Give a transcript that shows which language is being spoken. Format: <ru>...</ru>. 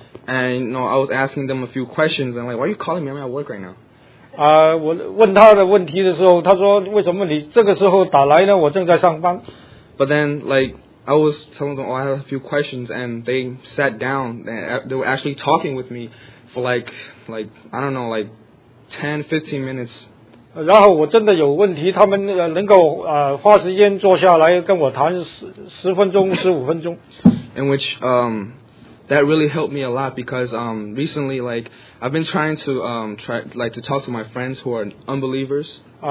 <en>And you know, I was asking them a few questions, and like, why are you calling me? I'm at work right now.</en> <zh>我问他的问题的时候，他说为什么你这个时候打来呢？我正在上班。</zh> <en>But then, like, I was telling them, oh, I have a few questions, and they sat down, and they were actually talking with me for like I don't know, like 10-15 minutes.</en> <zh>然后我真的有问题，他们能够花时间坐下来跟我谈十分钟、十五分钟。</zh> <en>In which that really helped me a lot because recently, like I've been trying to to talk to my friends who are unbelievers.</en>